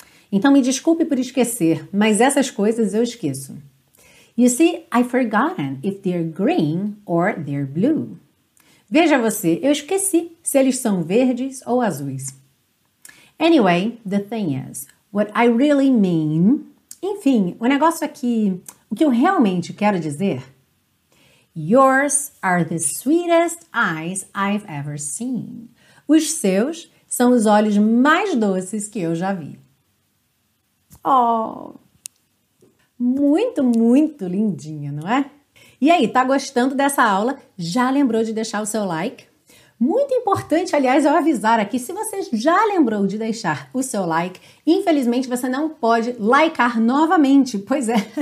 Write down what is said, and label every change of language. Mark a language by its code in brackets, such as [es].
[pt] Então, me desculpe por esquecer, mas essas coisas eu esqueço. [en] You see, I've forgotten if they're green or they're blue. [pt] Veja você, eu esqueci se eles são verdes ou azuis. [en] Anyway, the thing is, what I really mean... [pt] Enfim, o negócio aqui, o que eu realmente quero dizer... [en] Yours are the sweetest eyes I've ever seen. [pt] Os seus são os olhos mais doces que eu já vi. Oh, muito, muito lindinha, não é? E aí, tá gostando dessa aula? Já lembrou de deixar o seu like? Muito importante, aliás, eu avisar aqui, se você já lembrou de deixar o seu like, infelizmente você não pode likear novamente, pois é.